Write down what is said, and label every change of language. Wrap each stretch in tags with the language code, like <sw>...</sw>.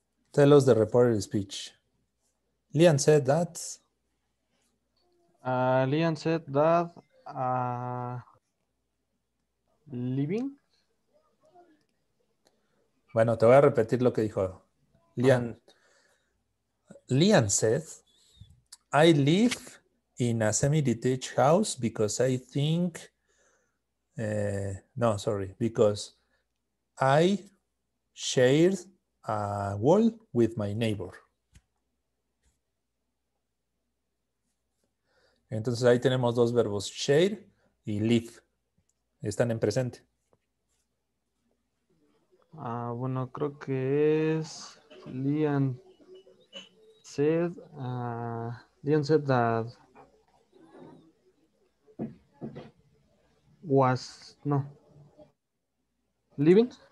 <en>Tell us the reported speech. Lian said that. Lian said that living.</en> <es>Bueno, te voy a repetir lo que dijo Lian.</es> <en>Lian said, I live in a semi-detached house because I think, because I shared a wall with my neighbor.</en> <es>Entonces ahí tenemos dos verbos, share y live. Están en presente. Ah, bueno, creo que es</es> <en>Lian said that was,</en> <es>no,</es> <en>living.</en>